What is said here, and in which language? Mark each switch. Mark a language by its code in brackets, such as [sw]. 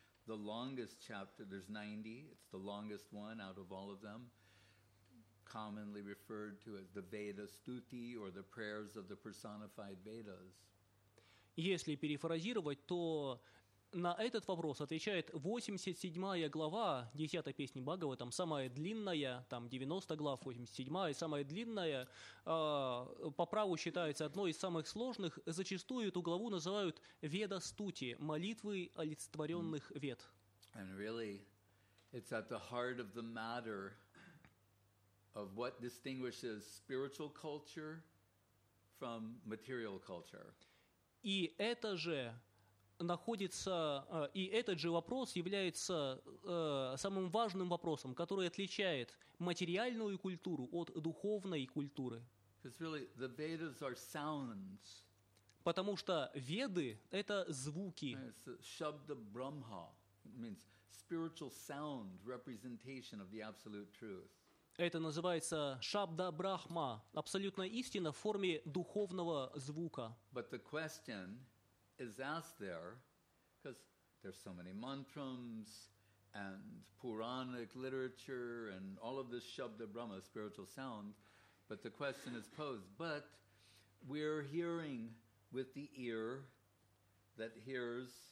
[en] The longest chapter, there's 90, it's the longest one out of all of them, commonly referred to as the Veda Stuti, or the prayers of the personified Vedas. [ru] Если перефразировать, то на этот вопрос отвечает 87-я глава 10-й песни Бхагаватам, самая длинная, там 90 глав, 87-я, самая длинная, по праву считается одной из самых сложных, зачастую эту главу называют «Веда Стути», «Молитвы олицетворенных вед». [en] And really, it's at the heart of the matter of what distinguishes spiritual culture from material culture. [ru] И это же находится, и этот же вопрос является самым важным вопросом, который отличает материальную культуру от духовной культуры. [en] Really, the Vedas are sounds. [ru] Потому что веды – это звуки. [en] Шабда Брахма means spiritual sound, representation of the absolute truth. [ru] Это называется Шабда Брахма, абсолютная истина в форме духовного звука. [en] But the question is asked there, because there's so many mantras and Puranic literature and all of this Shabda Brahma, spiritual sound, but the question is posed, but we're hearing with the ear that hears